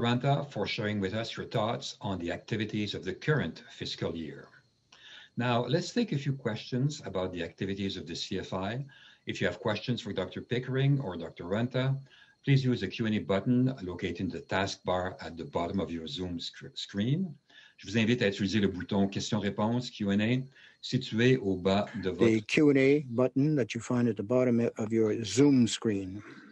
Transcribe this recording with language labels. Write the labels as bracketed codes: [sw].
[en] Runte, for sharing with us your thoughts on the activities of the current fiscal year. Now, let's take a few questions about the activities of the CFI. If you have questions for Dr. Pickering or Dr. Runte, please use the Q&A button located in the taskbar at the bottom of your Zoom screen. [fr] Je vous invite à utiliser le bouton question-réponse, Q&A, situé au bas de votre... [en] The Q&A button that you find at the bottom of your Zoom screen.